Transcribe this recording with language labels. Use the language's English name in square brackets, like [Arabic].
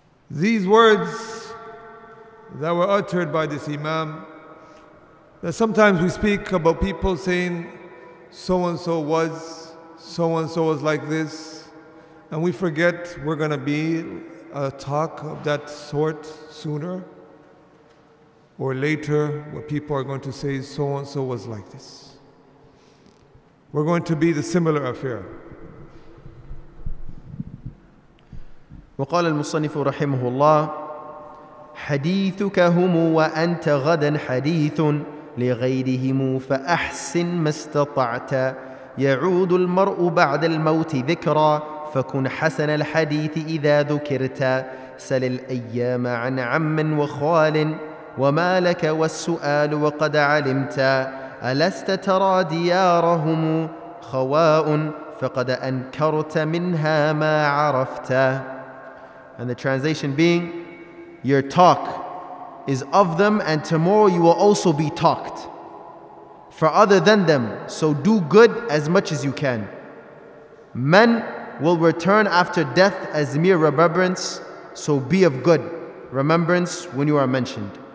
[English] These words that were uttered by this Imam, that sometimes we speak about people saying so-and-so was like this, and we forget we're going to be a talk of that sort sooner or later, where people are going to say so-and-so was like this. We're going to be the similar affair. [Arabic] وقال المصنف رحمه الله حديثك هم وأنت غدا حديث لغيرهم فأحسن ما استطعت يعود المرء بعد الموت ذكرا فكن حسن الحديث إذا ذكرت سل الأيام عن عم وخال وما لك والسؤال وقد علمت ألست ترى ديارهم خواء فقد أنكرت منها ما عرفت. [English] And the translation being, your talk is of them, and tomorrow you will also be talked for other than them, so do good as much as you can. Men will return after death as mere remembrance, so be of good remembrance when you are mentioned.